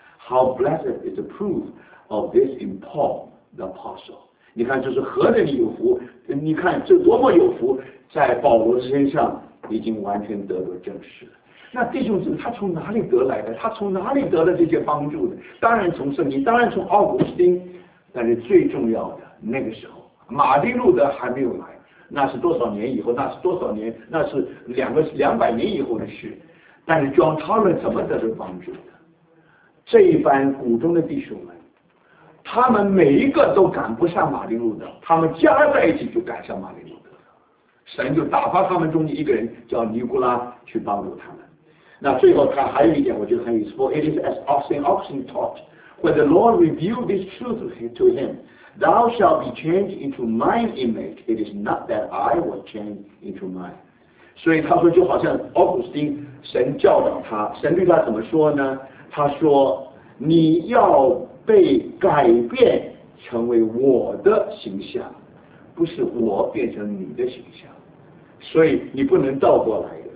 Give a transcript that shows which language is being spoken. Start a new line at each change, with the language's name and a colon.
English: How blessed is the proof of this in Paul? The apostle，
Chinese: 你看这是何等的有福！你看这多么有福，在保罗身上已经完全得到证实了。那弟兄们，他从哪里得来的？他从哪里得了这些帮助的？当然从圣经，当然从奥古斯丁，但是最重要的那个时候，马丁路德还没有来，那是多少年以后？那是多少年？那是200年以后的事。但是 John Taylor 怎么得到帮助的？这一班古中的弟兄们，他们每一个都赶不上马丁路德，他们加在一起就赶上马丁路德。神就打发他们中间一个人叫尼古拉去帮助他们。那最后他还有一点我觉得很有意思，
English: For it is as oxen taught When the Lord revealed this truth to him, thou shalt be changed into mine image. It is not that I was changed into mine.
Chinese: 所以他说就好像奥古斯丁神教导他，神对他怎么说呢？他说你要被改变成为我的形象，不是我变成你的形象，所以你不能倒过来的。